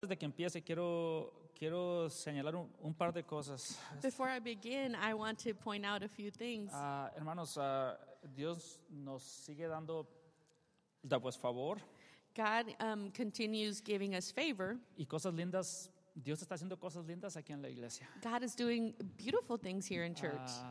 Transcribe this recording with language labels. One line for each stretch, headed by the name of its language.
Spanish: antes de que empiece, quiero señalar un par de cosas.
English: Before I begin, I want to point out a few things.
Spanish: Hermanos, Dios nos sigue dando pues favor.
English: God continues giving us favor.
Spanish: Y cosas lindas, Dios está haciendo cosas lindas aquí en la iglesia.
English: God is doing beautiful things here in church.